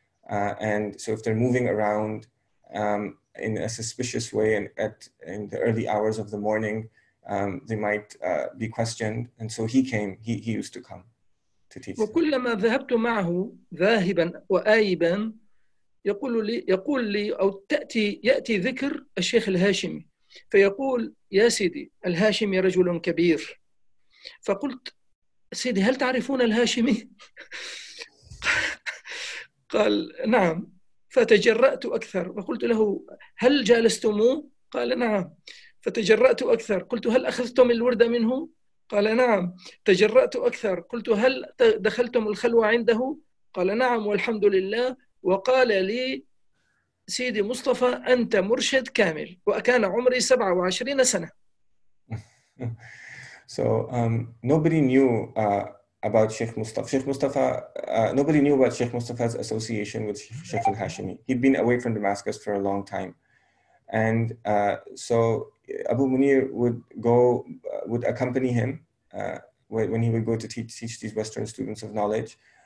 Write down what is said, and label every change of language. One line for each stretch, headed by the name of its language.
English: And so if they're moving around in a suspicious way and in the early hours of the morning, they might be questioned. And so he came, he used to come to teach.
Arabic: وكلما ذهبت معه ذاهبا وآيبا يقول لي أو يأتي ذكر الشيخ الهاشمي فيقول يا سيدي الهاشمي رجل كبير فقلت سيدي هل تعرفون الهاشمي؟ قال نعم فتجرأت أكثر وقلت له هل جالستموه؟ قال نعم فتجرأت أكثر قلت هل أخذتم الوردة منه؟ قال نعم تجرأت أكثر قلت هل دخلتم الخلوة عنده؟ قال نعم والحمد لله وقال لي سيدي مصطفى أنت مرشد كامل وكان عمري 27 سنة.
English: So nobody knew about Sheikh Mustafa. Sheikh Mustafa, nobody knew about Sheikh Mustafa's association with Sheikh al-Hashimi. He'd been away from Damascus for a long time. And so Abu Munir would go, would accompany him when he would go to teach these Western students of knowledge.